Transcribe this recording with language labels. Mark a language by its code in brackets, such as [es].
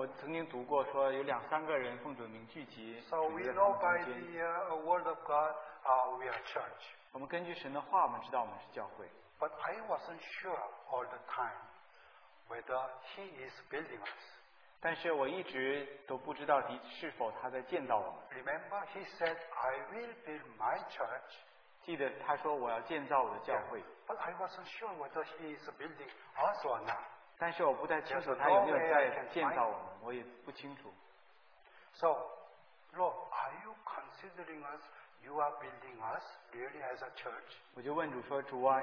[zh] 我曾经读过说有两三个人奉主的名聚集。 [en] So we know by the word of God, we are church. [zh] 我们根据神的话，我们知道我们是教会。 [en] But I wasn't sure all the time whether He is building us. [zh] 但是我一直都不知道是否他在建造我们。 [en] Remember, He said, I will build my church. [zh] 记得他说我要建造我的教会。 [en] Yeah, but I wasn't sure whether He is building us or not. [zh] 但是我不太清楚他有没有在建造我们，我也不清楚。 [en] So, Lord, are you considering us? You are building us really as a church.